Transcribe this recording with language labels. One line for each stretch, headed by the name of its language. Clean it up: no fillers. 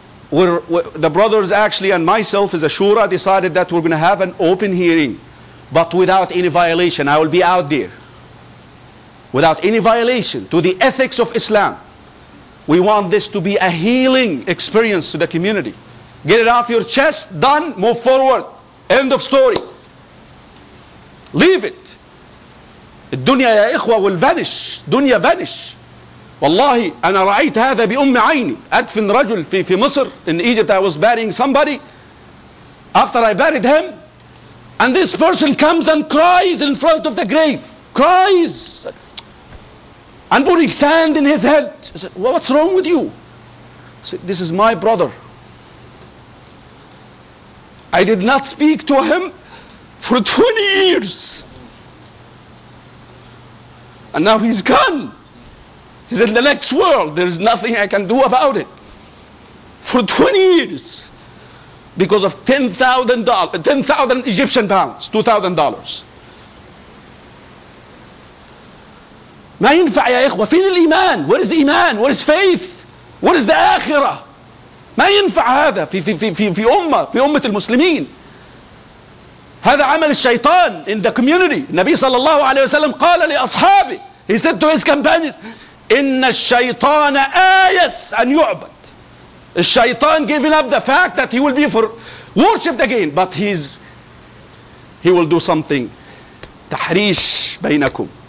English: The brothers actually and myself as a shura decided that we're going to have an open hearing, but without any violation. I will be out there. without any violation to the ethics of Islam. We want this to be a healing experience to the community. Get it off your chest, done, move forward. End of story. Leave it.
Arabic: الدنيا يا إخوة
English: will vanish.
Arabic: دنيا vanish. والله أنا رأيت هذا بأم عيني. أدفن رجل في مصر.
English: In Egypt I was burying somebody. After I buried him. And this person comes and cries in front of the grave. Cries. And putting sand in his head. I said, what's wrong with you? I said, this is my brother. I did not speak to him for 20 years. And now he's gone. He's in the next world. There's nothing I can do about it. For 20 years. Because of $10,000 Egyptian pounds. $2,000.
Arabic: ما ينفع يا إخوة. فين الإيمان؟
English: Where is إيمان؟ Where is faith? Where is the
Arabic: آخرة؟ ما ينفع هذا في أمة المسلمين. هذا عمل الشيطان
English: in the community.
Arabic: النبي صلى الله عليه وسلم قال لأصحابه.
English: He said to his companions,
Arabic: إن الشيطان آيس أن يعبد.
English: الشيطان giving up the fact that he will be for worshipped again. But he will do something.
Arabic: تحريش بينكم.